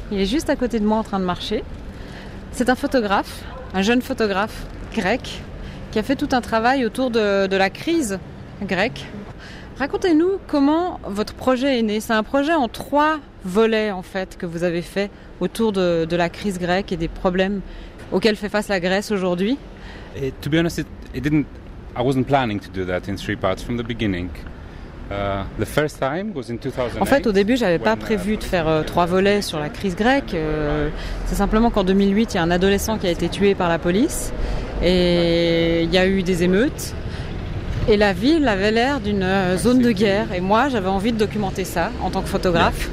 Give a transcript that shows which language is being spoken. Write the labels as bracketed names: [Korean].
[French] Il est juste à côté de moi en train de marcher. C'est un photographe, un jeune photographe grec, qui a fait tout un travail autour de la crise grecque. Racontez-nous comment votre projet est né. C'est un projet en trois volet en fait que vous avez fait autour de la crise grecque et des problèmes auxquels fait face la Grèce aujourd'hui. [English] To be honest, I wasn't planning to do that in three parts from the beginning. The first time was in 2008. [French] En fait, au début, j'avais pas prévu de faire trois volets sur la crise grecque. C'est simplement qu'en 2008, il y a un adolescent qui a été tué par la police et il y a eu des émeutes. Et la ville avait l'air d'une zone de guerre. Et moi, j'avais envie de documenter ça en tant que photographe.